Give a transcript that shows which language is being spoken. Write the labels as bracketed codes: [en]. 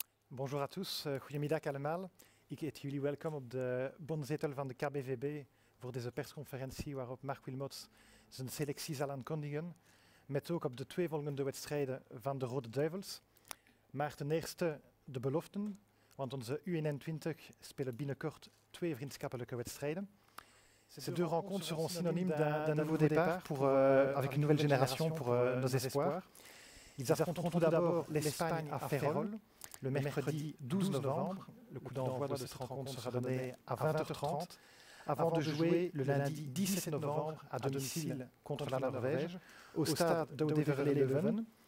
[fr] Bonjour à tous, [nl] goedemiddag allemaal. Ik heet jullie welkom op de bondzetel van de KBVB voor deze persconferentie waarop Mark Wilmots zijn selectie zal aankondigen met ook op de twee volgende wedstrijden van de Rode Duivels. Maar ten eerste de beloften, want onze U21 spelen binnenkort twee vriendschappelijke wedstrijden. [fr] Ces deux rencontres seront synonymes d'un nouveau départ pour, avec une nouvelle génération pour nos espoirs. Ils affronteront tout d'abord l'Espagne à Ferrol. Le mercredi 12 novembre, le coup d'envoi de cette rencontre sera donné à 20h30, avant de jouer le lundi 17 novembre à domicile contre la Norvège, au stade d'Oudeverleleven.